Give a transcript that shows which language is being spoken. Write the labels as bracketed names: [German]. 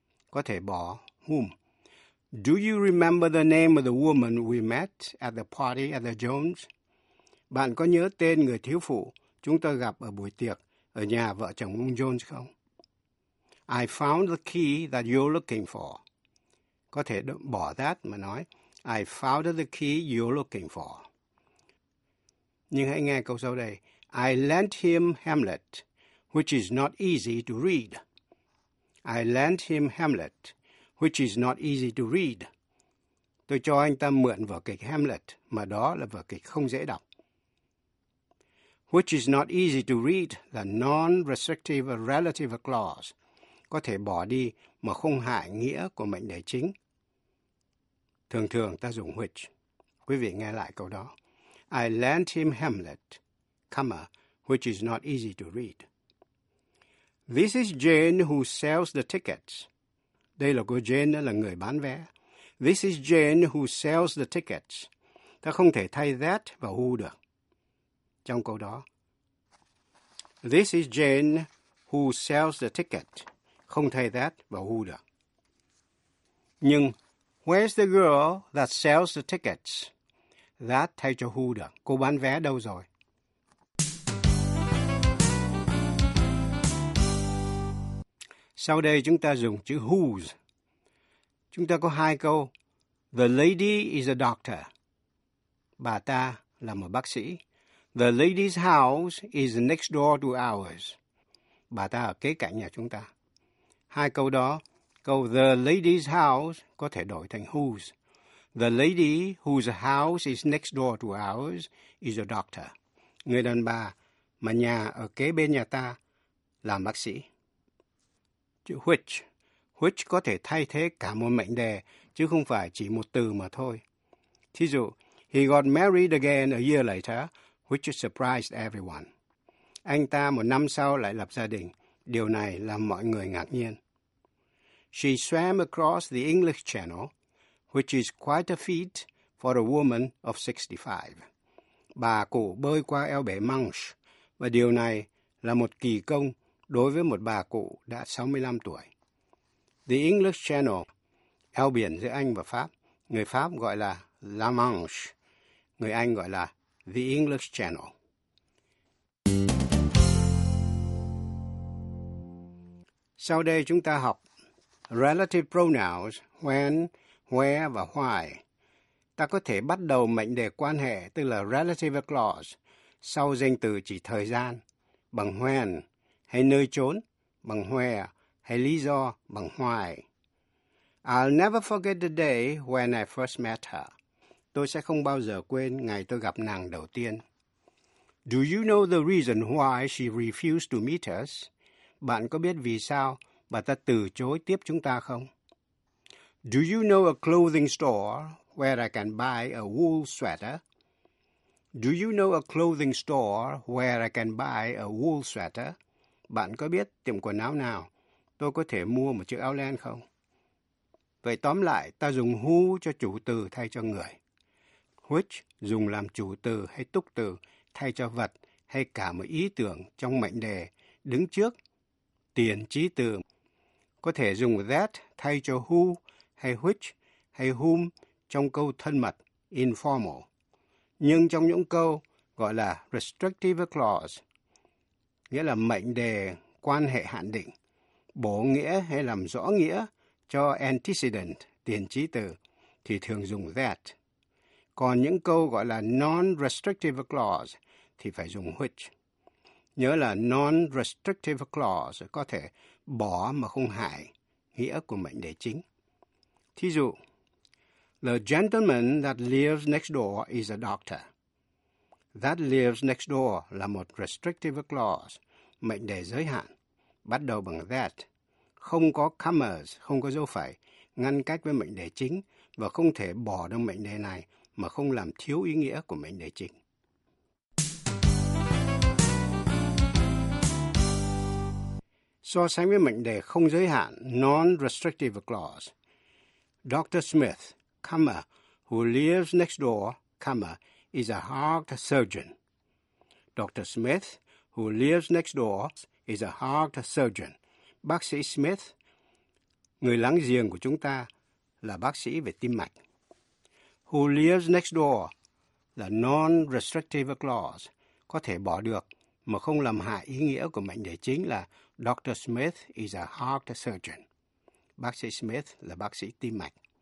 [Vietnamese] Có thể bỏ whom. [English] Do you remember the name of the woman we met at the party at the Jones? [Vietnamese] Bạn có nhớ tên người thiếu phụ chúng ta gặp ở buổi tiệc ở nhà vợ chồng ông Jones không? [English] I found the key that you're looking for. [Vietnamese] Có thể bỏ that mà nói, [English] I found the key you're looking for. [Vietnamese] Nhưng hãy nghe câu sau đây. [English] I lent him Hamlet, which is not easy to read. I lent him Hamlet, which is not easy to read. [Vietnamese] Tôi cho anh ta mượn vở kịch Hamlet, mà đó là vở kịch không dễ đọc. [English] Which is not easy to read là non-restrictive relative clause. [Vietnamese] Có thể bỏ đi mà không hại nghĩa của mệnh đề chính. Thường thường ta dùng which. Quý vị nghe lại câu đó. [English] I lent him Hamlet, comma, which which is not easy to read. This is Jane who sells the tickets. [Vietnamese] Đây là cô Jane là người bán vé. [English] This is Jane who sells the tickets. [Vietnamese] Ta không thể thay that vào who được. Trong câu đó, [English] this is Jane who sells the ticket. [Vietnamese] Không thay that vào who được. [English] Nhưng, where's the girl that sells the tickets? [Vietnamese] That thay cho who được. Cô bán vé đâu rồi? Sau đây chúng ta dùng chữ who's. Chúng ta có hai câu. [English] The lady is a doctor. [Vietnamese] Bà ta là một bác sĩ. [English] The lady's house is next door to ours. [Vietnamese] Bà ta ở kế cạnh nhà chúng ta. Hai câu đó, câu the lady's house có thể đổi thành whose. [English] The lady whose house is next door to ours is a doctor. [Vietnamese] Người đàn bà mà nhà ở kế bên nhà ta là bác sĩ. Chữ which. Which có thể thay thế cả một mệnh đề, chứ không phải chỉ một từ mà thôi. Thí dụ, [English] he got married again a year later, which surprised everyone. [Vietnamese] Anh ta một năm sau lại lập gia đình. Điều này làm mọi người ngạc nhiên. [English] She swam across the English Channel, which is quite a feat for a woman of 65. [Vietnamese] Bà cụ bơi qua eo bể Manche, và điều này là một kỳ công đối với một bà cụ đã 65 tuổi. The English Channel, eo biển giữa Anh và Pháp, người Pháp gọi là La Manche, người Anh gọi là The English Channel. Sau đây chúng ta học relative pronouns when, where và why. Ta có thể bắt đầu mệnh đề quan hệ, tức là relative clause, sau danh từ chỉ thời gian, bằng when hay nơi chốn, bằng where hay lý do, bằng why. [English] I'll never forget the day when I first met her. [Vietnamese] Tôi sẽ không bao giờ quên ngày tôi gặp nàng đầu tiên. [English] Do you know the reason why she refused to meet us? [Vietnamese] Bạn có biết vì sao bà ta từ chối tiếp chúng ta không? [English] Do you know a clothing store where I can buy a wool sweater? Do you know a clothing store where I can buy a wool sweater? [Vietnamese] Bạn có biết tiệm quần áo nào tôi có thể mua một chiếc áo len không? Vậy tóm lại, ta dùng who cho chủ từ thay cho người. Which dùng làm chủ từ hay túc từ thay cho vật hay cả một ý tưởng trong mệnh đề đứng trước tiền trí từ. Có thể dùng that thay cho who hay which hay whom trong câu thân mật, informal. Nhưng trong những câu gọi là restrictive clause, nghĩa là mệnh đề quan hệ hạn định, bổ nghĩa hay làm rõ nghĩa cho antecedent, tiền trí từ, thì thường dùng that. Còn những câu gọi là non-restrictive clause thì phải dùng which. Nhớ là non-restrictive clause có thể bỏ mà không hại nghĩa của mệnh đề chính. Thí dụ, [English] the gentleman that lives next door is a doctor. [Vietnamese] That lives next door là một restrictive clause, mệnh đề giới hạn, bắt đầu bằng that. Không có commas, không có dấu phẩy, ngăn cách với mệnh đề chính và không thể bỏ được mệnh đề này mà không làm thiếu ý nghĩa của mệnh đề chính. So sánh với mệnh đề không giới hạn, non-restrictive clause, Dr. [English] Smith, comma, who lives next door, comma, is a heart surgeon. Dr. Smith, who lives next door, is a heart surgeon. [Vietnamese] Bác sĩ Smith, người láng giềng của chúng ta, là bác sĩ về tim mạch. Who lives next door là non-restrictive clause, có thể bỏ được mà không làm hại ý nghĩa của mệnh đề chính là Dr. [English] Smith is a heart surgeon. [Vietnamese] Bác sĩ Smith là bác sĩ tim mạch.